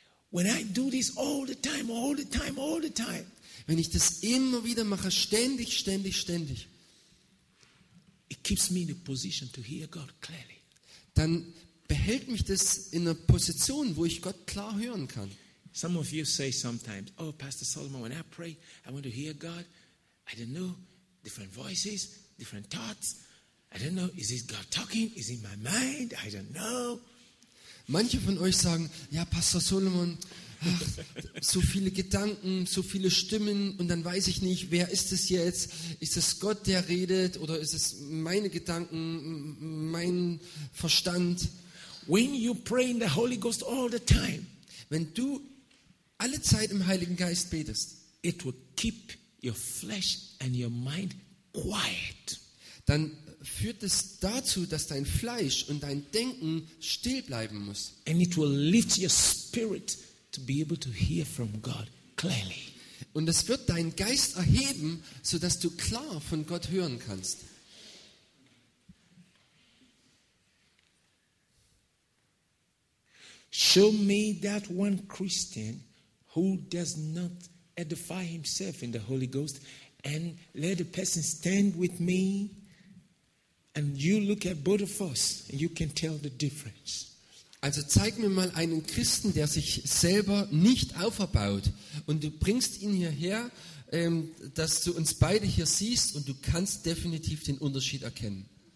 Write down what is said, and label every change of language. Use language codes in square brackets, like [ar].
[en] When I do this all the time, all the time, all the time. [de] Wenn ich das immer wieder mache, ständig, ständig, ständig. [en] It keeps me in a position to hear God clearly. [de] Dann behält mich das in einer Position, wo ich Gott klar hören kann. [en] Some of you say sometimes, oh Pastor Solomon, when I pray, I want to hear God. I don't know, different voices, different thoughts. I don't know, is this God talking? Is it in my mind? I don't know. [de] Manche von euch sagen, ja, Pastor Solomon, ach, so viele Gedanken, so viele Stimmen und dann weiß ich nicht, wer ist es jetzt? Ist es Gott, der redet oder ist es meine Gedanken, mein Verstand? [en] When you pray in the Holy Ghost all the time, [de] wenn du alle Zeit im Heiligen Geist betest, [en] it will keep your flesh and your mind quiet. [de] Dann führt es dazu, dass dein Fleisch und dein Denken still bleiben muss. [en] And it will lift your spirit to be able to hear from God clearly. [de] Und es wird deinen Geist erheben, so dass du klar von Gott hören kannst. [en] Show me that one Christian who does not edify himself in the Holy Ghost and let the person stand with me, and you look at both of us, and you can tell the difference. [de] Also zeig mir mal einen Christen, der sich selber nicht auferbaut, und du bringst ihn hierher, dass du uns beide hier siehst, und du kannst definitiv den Unterschied erkennen.